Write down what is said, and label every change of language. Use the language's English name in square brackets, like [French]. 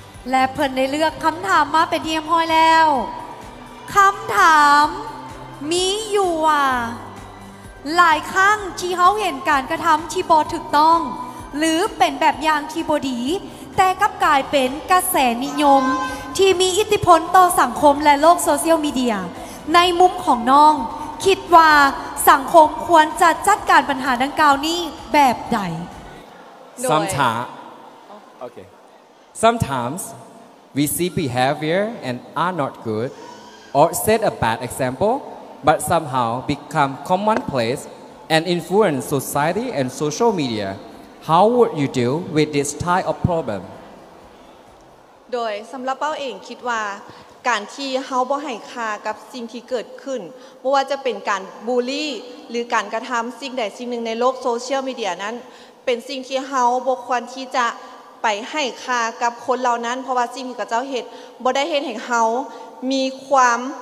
[Northeastern Thai] และเพิ่นได้เลือกคำถามมาเป็นเยี่ยมห้อยแล้วคำถามมีอยู่ว่าหลายครั้งที่เขาเห็นการกระทำที่บ่ถูกต้องหรือเป็นแบบอย่างที่บ่ดีแต่กลับกลายเป็นกระแสนิยมที่มีอิทธิพลต่อสังคมและโลกโซเชียลมีเดียในมุมของน้องคิดว่าสังคมควรจะจัดการปัญหาดังกล่าวนี้แบบใด ซ้ำช้าโอเค [English] Sometimes we see behavior and are not good or set a bad example but somehow become commonplace and influence society and social media. How would you deal with this type of problem? [Northeastern Thai] โดยสำหรับเป้าเองคิดว่าการที่เฮาบ่ให้ค่ากับสิ่งที่เกิดขึ้นบ่ว่าจะเป็นการบูลลี่หรือการกระทําสิ่งใดสิ่งหนึ่งในโลกโซเชียลมีเดียนั้นเป็นสิ่งที่เฮาบ่ควรที่จะไปให้ค่ากับคนเหล่านั้นเพราะว่าสิ่งที่เจ้าเฮ็ดบ่ได้เฮ็ดให้เฮามีความ